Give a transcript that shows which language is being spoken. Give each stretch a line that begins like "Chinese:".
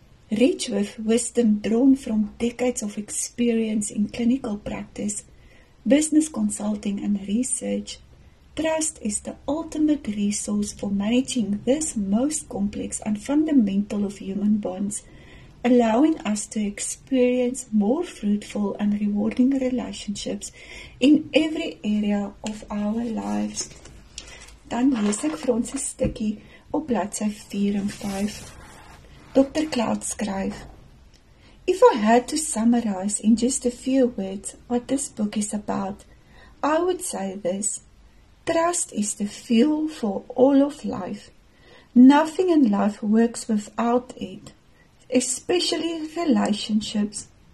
English: Rich with wisdom drawn from decades of experience in clinical practice, business consulting and research, trust is the ultimate resource for managing this most complex and fundamental of human bonds, allowing us to experience more fruitful and rewarding relationships in every area of our lives.
Afrikaans: Dan lees ek vir ons 'n stukkie op bladsy 4 en 5.
English: Dr. Cloud skryf, If I had to summarize in just a few words what this book is about, I would say this, Trust is the fuel for all of life. Nothing in life works without it, especially relationships.